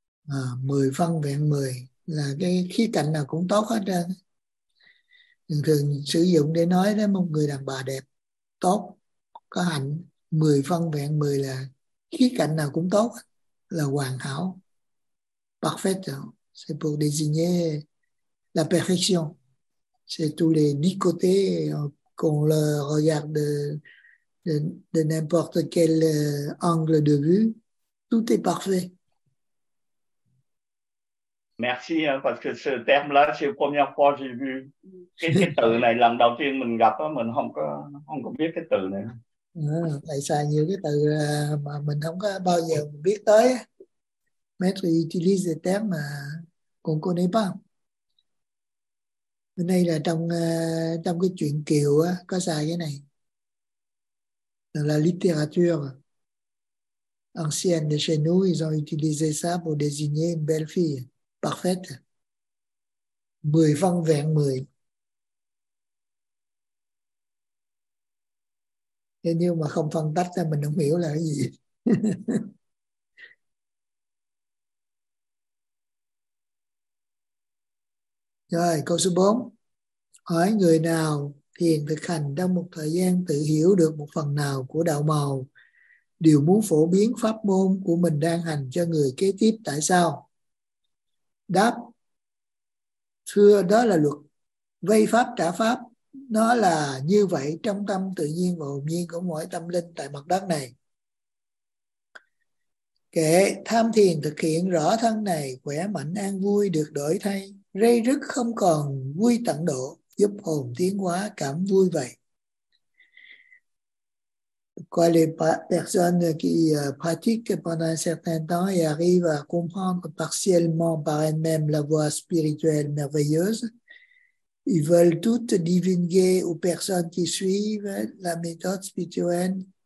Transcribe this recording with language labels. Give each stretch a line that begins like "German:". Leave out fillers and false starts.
Vietnamese: À, mười phân vẹn mười là cái khía cạnh nào cũng tốt hết trơn. Thường thường sử dụng để nói đó, một người đàn bà đẹp, tốt, có hạnh, mười phân vẹn mười là khía cạnh nào cũng tốt, là hoàn hảo.
French: Parfait, c'est pour désigner la perfection. C'est tous les dix côtés qu'on le regarde de n'importe quel angle de vue. Tout est parfait. Merci, hein, parce que ce terme-là, c'est la première fois que j'ai vu.
Vietnamese: Cái từ này, lần đầu tiên mình gặp, mình không có biết cái từ này. Tại sao nhiều cái từ mà mình không có bao giờ biết tới.
French: Maître utilise des termes qu'on ne connaît pas.
Vietnamese: Bên đây là trong cái chuyện Kiều có xài cái này.
French: La littérature ancienne de chez nous, ils ont utilisé ça pour désigner une belle fille.
Vietnamese: Parfait. Mười phân vẹn mười. Thế nếu mà không phân tách ra mình không hiểu là cái gì. Rồi, câu số 4. Hỏi người nào thiền thực hành trong một thời gian tự hiểu được một phần nào của đạo màu, đều muốn phổ biến pháp môn của mình đang hành cho người kế tiếp tại sao? Đáp, thưa đó là luật vây pháp trả pháp. Nó là như vậy trong tâm tự nhiên và hồn nhiên của mỗi tâm linh tại mặt đất này. Kể tham thiền thực hiện rõ thân này, khỏe mạnh an vui được đổi thay, rây rứt không còn vui tận độ, giúp hồn tiến hóa cảm vui vậy.
French: Quoi les personnes qui pratiquent pendant un certain temps et arrivent à comprendre partiellement par elles-mêmes la voie spirituelle merveilleuse, ils veulent toutes divulguer aux personnes qui suivent la méthode spirituelle,